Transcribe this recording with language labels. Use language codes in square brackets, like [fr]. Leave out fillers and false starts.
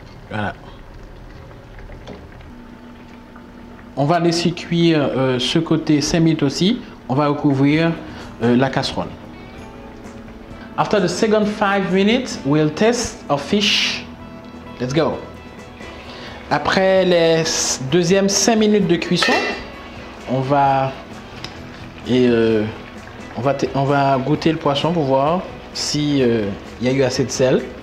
[fr] Voilà. On va laisser cuire ce côté 5 minutes aussi. On va recouvrir la casserole. [en] After the second 5 minutes, we'll test our fish. Let's go. [fr] Après les deuxièmes 5 minutes de cuisson, on va goûter le poisson pour voir si il y a eu assez de sel.